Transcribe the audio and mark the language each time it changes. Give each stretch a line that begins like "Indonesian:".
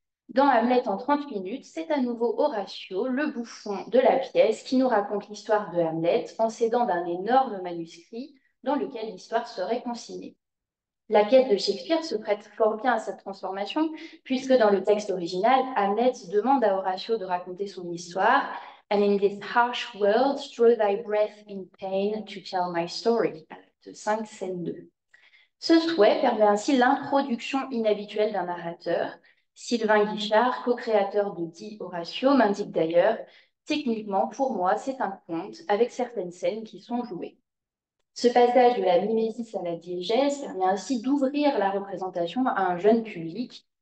French: Dans Hamlet en 30 minutes, c'est à nouveau Horatio, le bouffon de la pièce, qui nous raconte l'histoire de Hamlet en s'aidant d'un énorme manuscrit dans lequel l'histoire serait consignée. La pièce de Shakespeare se prête fort bien à cette transformation, puisque dans le texte original, Hamlet demande à Horatio de raconter son histoire.
English: And in this harsh world, draw thy breath in pain to tell my story.
French: Acte 5, scène 2. Ce souhait permet ainsi l'introduction inhabituelle d'un narrateur. Sylvain Guichard, co-créateur de dit Horatio, m'indique d'ailleurs, techniquement, pour moi, c'est un conte avec certaines scènes qui sont jouées. Ce passage de la mimésis à la diégèse permet ainsi d'ouvrir la représentation à un jeune public.